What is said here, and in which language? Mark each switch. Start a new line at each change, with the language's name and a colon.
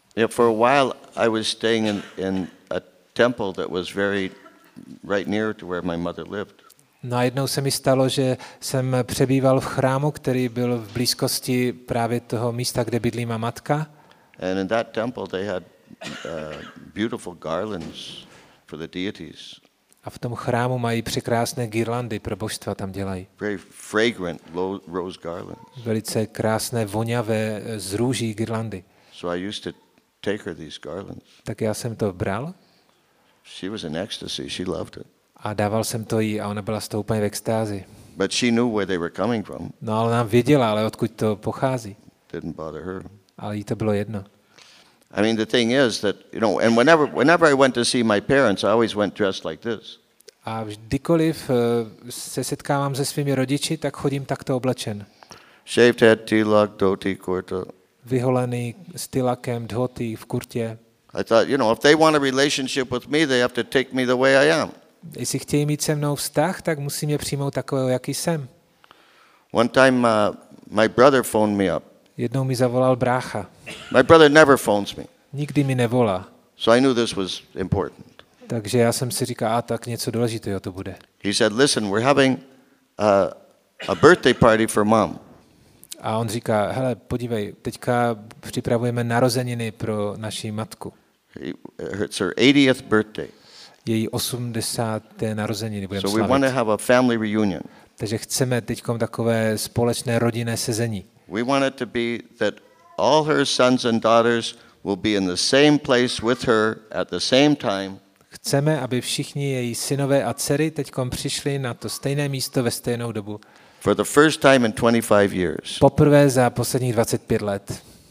English: For a while I was staying in a temple that was very right near to where my mother lived.
Czech: No a jednou se mi stalo, že jsem přebýval v chrámu, který byl v blízkosti právě toho místa, kde bydlí má matka.
English: And in that temple they had beautiful garlands for the deities.
Czech: A v tom chrámu mají překrásné girlandy pro božstva tam dělají.
English: Very fragrant rose garlands.
Czech: Velice krásné voňavé z růží girlandy.
English: So I used to take her these garlands.
Czech: Tak já jsem to bral.
English: She was in ecstasy. She loved it.
Czech: A dával jsem to jí a ona byla z toho úplně v extázi.
English: But she knew where they were coming from.
Czech: No, ale ona věděla, ale odkud to pochází.
English: Didn't bother her.
Czech: Ale jí to bylo jedno.
English: I mean, the thing is that, you know, and whenever I went to see my parents, I always went dressed like this.
Czech: A vždykoliv se setkávám se svými rodiči, tak chodím takto oblečen.
English: Shaved head, tilak, dhoti, kurta.
Czech: Vyholený s tilakem, dhoti, v kurtě.
English: I thought, you know, if they want a relationship with me, they have to take me the way I am.
Czech: Jestli chtějí mít se mnou vztah, tak musí mě přijmout takového, jaký jsem.
English: One time my brother phoned me up.
Czech: Jednou mi zavolal brácha.
English: My brother never phones me.
Czech: Nikdy mi nevolá.
English: So I knew this was important.
Czech: Takže já jsem si říkal, tak něco důležitého to bude.
English: He said, listen, we're having a birthday party for mom.
Czech: A on říká, hele, podívej, teďka připravujeme narozeniny pro naši matku.
English: It's her 80th birthday.
Czech: Její 80. narozeniny budeme slavit.
English: So we want to have a family reunion.
Czech: Takže chceme teďkom takové společné rodinné sezení.
English: We want it to be that all her sons and daughters will be in the same place with her at the same time.
Czech: Chceme, aby všichni její synové a dcery teďkom přišli na to stejné místo ve stejnou dobu.
English: For the first time in 25 years.
Czech: Poprvé za posledních 25 let.